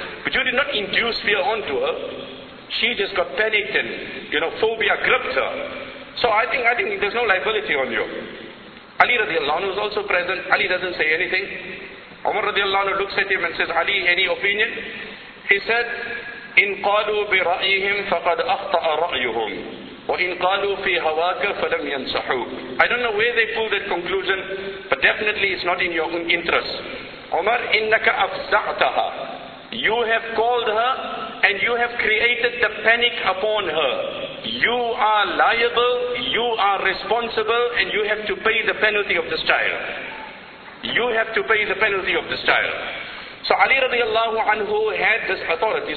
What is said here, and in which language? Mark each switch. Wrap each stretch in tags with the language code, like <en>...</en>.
<en>But you did not induce fear onto her. She just got panicked and, you know, phobia gripped her. So I think there's no liability on you. Ali radiallahu anhu is also present. Ali doesn't say anything. Umar radiallahu anhu looks at him and says, Ali, any opinion? He said,</en> <ar>إِنْ قَالُوا بِرَأْيِهِمْ فَقَدْ أَخْطَأَ رَأْيُهُمْ وَإِنْ قَالُوا فِي هَوَاكَ فَلَمْ يَنْسَحُوكَ.</ar> <en>I don't know where they pulled that conclusion, but definitely it's not in your own interest.</en> <ar>Umar, إِنَّكَ أَفْزَعْتَهَا.</ar> <en>You have called her and you have created the panic upon her. You are liable, you are responsible, and you have to pay the penalty of this child. You have to pay the penalty of this child. So Ali radiallahu anhu had this authority.</en>